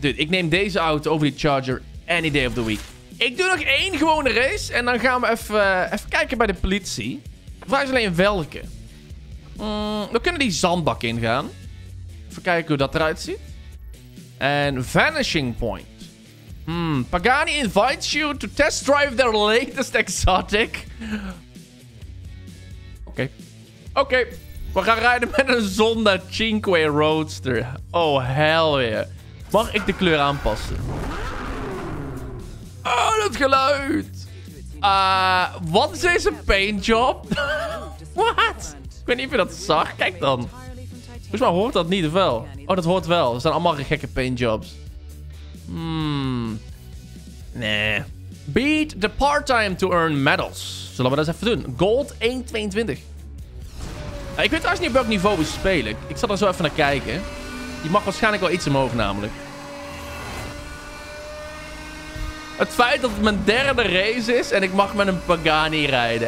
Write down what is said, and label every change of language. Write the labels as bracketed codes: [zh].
[en] Dude, [nl] ik neem deze auto over die Charger [en] any day of the week. [nl] Ik doe nog één gewone race en dan gaan we even kijken bij de politie. Vraag is alleen welke. We kunnen die zandbak ingaan. Even kijken hoe dat eruit ziet. En Vanishing Point. [en] Pagani invites you to test drive their latest exotic. [nl] Oké. We gaan rijden met een Zonda Cinque Roadster. [en] Oh, hell yeah. [nl] Mag ik de kleur aanpassen? Oh, dat geluid. Wat is deze paint job? Wat? Ik weet niet of je dat zag. Kijk dan. Volgens mij hoort dat niet of wel. Oh, dat hoort wel. Er zijn allemaal gekke paint jobs. Nee. [en] Beat the part-time to earn medals. [nl] Zullen we dat eens even doen? Gold 1.22. Nou, ik weet trouwens niet op welk niveau we spelen. Ik zal er zo even naar kijken. Je mag waarschijnlijk wel iets omhoog namelijk. Het feit dat het mijn derde race is en ik mag met een Pagani rijden.